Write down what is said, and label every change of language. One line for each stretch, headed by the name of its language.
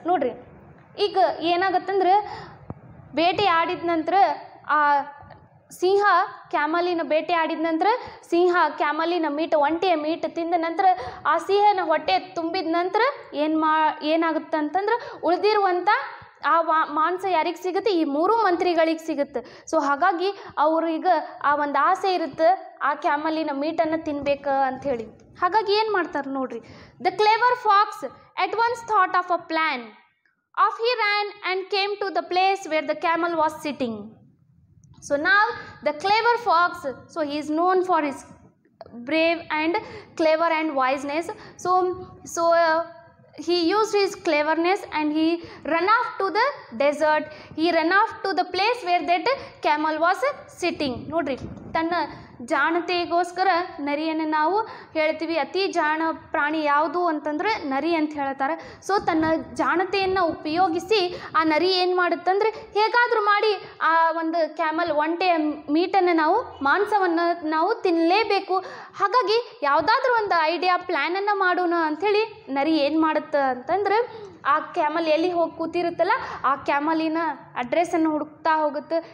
Kannada: ನೋಡ್ರಿ, ಈಗ ಏನಾಗತ್ತಂದ್ರೆ ಬೇಟೆ ಆಡಿದ ನಂತರ ಆ ಸಿಂಹ ಕ್ಯಾಮಲಿನ ಬೇಟೆ ಆಡಿದ ನಂತರ ಸಿಂಹ ಕ್ಯಾಮಲಿನ ಮೀಟ್ ಒಂಟಿಯ ಮೀಟ್ ತಿಂದ ನಂತರ ಆ ಸಿಂಹನ ಹೊಟ್ಟೆ ತುಂಬಿದ ನಂತರ ಏನಾಗುತ್ತೆ ಅಂತಂದ್ರೆ ಉಳಿದಿರುವಂಥ ಆ ಮಾಂಸ ಯಾರಿಗೆ ಸಿಗುತ್ತೆ, ಈ ಮೂರು ಮಂತ್ರಿಗಳಿಗೆ ಸಿಗುತ್ತೆ. ಸೊ ಹಾಗಾಗಿ ಅವ್ರೀಗ ಆ ಒಂದು ಆಸೆ ಇರುತ್ತೆ ಆ ಕ್ಯಾಮಲಿನ ಮೀಟನ್ನು ತಿನ್ಬೇಕು ಅಂಥೇಳಿ. ಹಾಗಾಗಿ ಏನು ಮಾಡ್ತಾರೆ ನೋಡ್ರಿ,
English: The clever fox at once thought of a plan of he ran and came to the place where the camel was sitting. So now the clever fox, so he is known for his brave and clever and wiseness. So he used his cleverness and he ran off to the desert. He ran off to the place where that camel was sitting.
Kannada: ನೋಡ್ರಿ, ತನ್ನ ಜಾಣತೆಗೋಸ್ಕರ ನರಿಯನ್ನು ನಾವು ಹೇಳ್ತೀವಿ, ಅತಿ ಜಾಣ ಪ್ರಾಣಿ ಯಾವುದು ಅಂತಂದ್ರೆ ನರಿ ಅಂತ ಹೇಳ್ತಾರೆ. ಸೊ ತನ್ನ ಜಾಣತೆಯನ್ನು ಉಪಯೋಗಿಸಿ ಆ ನರಿ ಏನು ಮಾಡುತ್ತಂದ್ರೆ ಹೇಗಾದರೂ ಮಾಡಿ ಆ ಒಂದು ಕ್ಯಾಮಲ್ ಒಂಟೆಯ ಮೀಟನ್ನು ನಾವು ಮಾಂಸವನ್ನು ನಾವು ತಿನ್ನಲೇಬೇಕು, ಹಾಗಾಗಿ ಯಾವುದಾದ್ರೂ ಒಂದು ಐಡಿಯಾ ಪ್ಲ್ಯಾನನ್ನು ಮಾಡೋಣ ಅಂಥೇಳಿ ನರಿ ಏನು ಮಾಡುತ್ತೆ ಅಂತಂದ್ರೆ ಆ ಕ್ಯಾಮಲ್ ಎಲ್ಲಿ ಹೋಗಿ ಕೂತಿರುತ್ತಲ್ಲ ಆ ಕ್ಯಾಮಲಿನ ಅಡ್ರೆಸ್ಸನ್ನು ಹುಡುಕ್ತಾ ಹೋಗುತ್ತೆ.